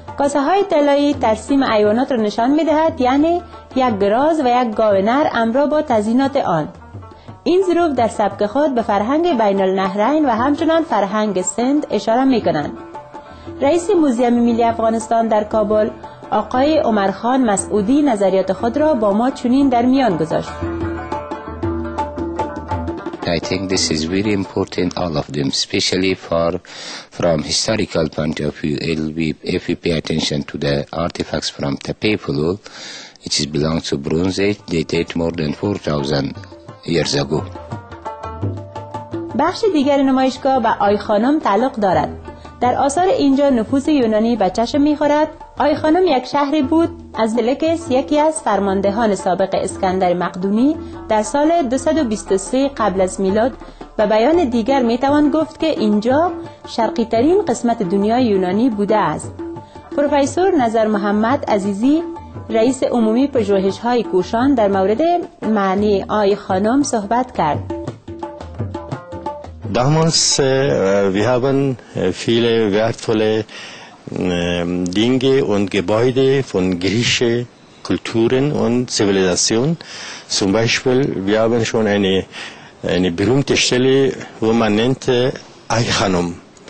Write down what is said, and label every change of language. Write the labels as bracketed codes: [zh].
[fa] کاسه های طلایی ترسیم ایوانات را نشان میدهد، یعنی یک گراز و یک گاونر امرا با تزینات آن. این ظروف در سبک خود به فرهنگ بین النهرین و همچنان فرهنگ سند اشاره میکنند. رئیس موزیم ملی افغانستان در کابل، آقای عمرخان مسعودی، نظریات خود را با ما چنین در میان گذاشت. [en] I think this is very important, all of them, especially from historical point of view. It'll be if we pay attention to the artifacts from Tepe Fulul, which belongs to Bronze Age, they date more than 4,000 years ago. [fa] بخش دیگر نمایشگاه به آی خانم تعلق دارد. در آثار اینجا نفوذ یونانی به چشم می‌خورد. آی خانم یک شهری بود از لکس، یکی از فرماندهان سابق اسکندر مقدونی در سال 223 قبل از میلاد، و بیان دیگر میتوان گفت که اینجا شرقی ترین قسمت دنیای یونانی بوده است. پروفسور نظر محمد عزیزی، رئیس عمومی پژوهش‌های کوشان، در مورد معنی آی خانم صحبت کرد. [de] Damals, wir haben viele wertvolle Dinge und Gebäude von griechischen Kulturen und Zivilisationen. Zum Beispiel, wir haben schon eine berühmte Stelle, wo man nennt Aichanum.